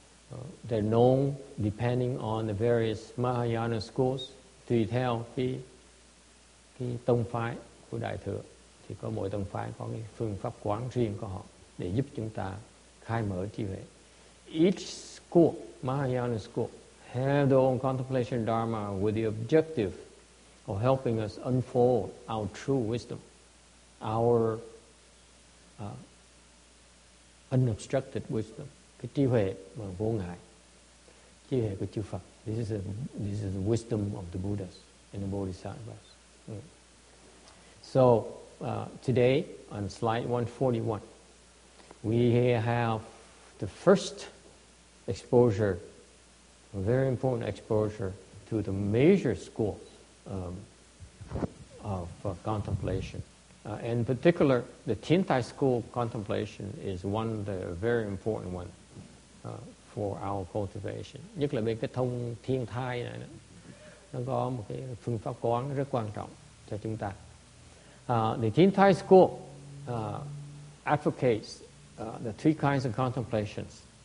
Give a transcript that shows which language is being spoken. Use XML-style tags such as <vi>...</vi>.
<en>But they're known depending on the various Mahayana schools.</en> <vi>Tùy theo cái tông phái của Đại thừa thì có mỗi tông phái có cái phương pháp quán riêng của họ. Để giúp chúng ta khai mở trí huệ.</vi> <en>Each school, Mahayana school, have their own contemplation dharma with the objective of helping us unfold our true wisdom, our unobstructed wisdom,</en> <vi>cái trí huệ mà vô ngại, trí huệ của chư Phật.</vi> <en>This is the wisdom of the Buddhas and the Bodhisattvas. So today on slide 141. We have the first exposure, a very important exposure to the major schools of contemplation. In particular, the Tiantai school contemplation is one, the very important one for our cultivation.</en> <vi>Nhất là về cái thông thiên thai này, nó có một cái phương pháp quán rất quan trọng cho chúng ta.</vi> <en>The Tiantai school advocates the three kinds of contemplations.</en>